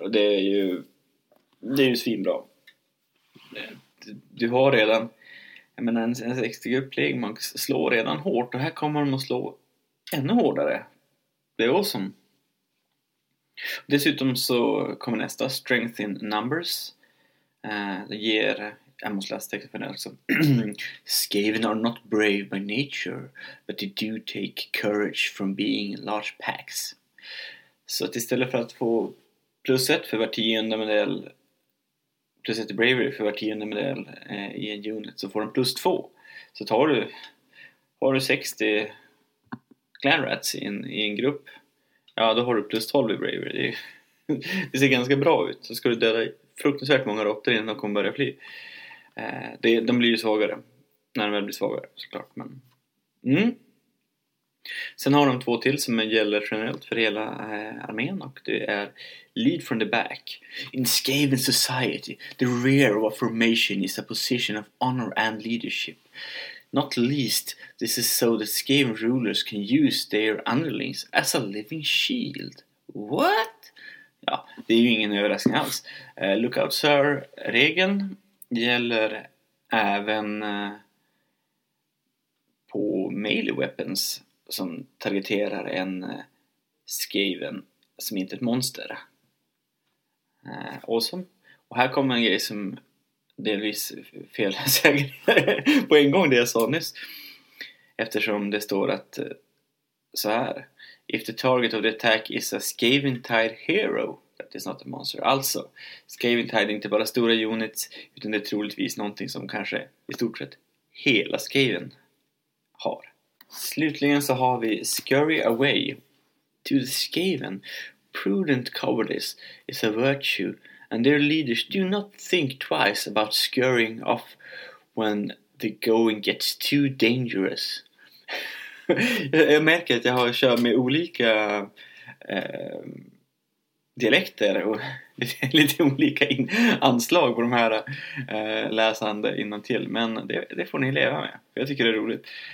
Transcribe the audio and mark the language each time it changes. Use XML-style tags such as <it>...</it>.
<sv>Och det är ju, det är ju svinbra. Du har redan, jag menar, en 60 grupp plague monks slår redan hårt, och här kommer de att slå ännu hårdare. Det är awesome. Dessutom så kommer nästa, strength in numbers. Det ger, jag måste läsa texten för den också.</sv> <en>Skaven are not brave by nature, but they do take courage from being large packs.</en> <sv>Så att istället för att få plus ett för var tionde modell, plus ett bravery för var tionde modell i en unit, så får de plus två. Så tar du, har du 60 clan rats i en grupp, ja, då har du plus 12 i bravery. Det ser ganska bra ut. Så ska du döda fruktansvärt många råttor innan de kommer börja fly. De blir ju svagare. När de väl blir svagare, såklart. Men, mm. Sen har de två till som gäller generellt för hela armén. Och det är lead from the back.</sv> <en>In Skaven society, the rear of a formation is a position of honor and leadership. Not least, this is so that Skaven rulers can use their underlings as a living shield. What?</en> <sv>Ja, det är ju ingen överraskning alls.</sv> <en>Look out, sir.</en> <sv>Regeln gäller även på melee weapons som targeterar en Skaven som inte är ett monster. Awesome. Och här kommer en grej som delvis fel säger på en gång det jag sa nyss. Eftersom det står att så här:</sv> <en>if the target of the attack is a Skaven Tide hero, that is not a monster.</en> <sv>Alltså, Skaven Tide är inte bara stora units, utan det är troligtvis någonting som kanske i stort sett hela Skaven har. Slutligen så har vi Scurry away to the Skaven.</sv> <en>Prudent cowardice is a virtue, and their leaders do not think twice about scurrying off when the going gets too dangerous.</en> <sv>Jag märker att jag har kört med olika dialekter och lite olika anslag på de här läsande innantill. Men det får ni leva med. Jag tycker det är roligt.</sv>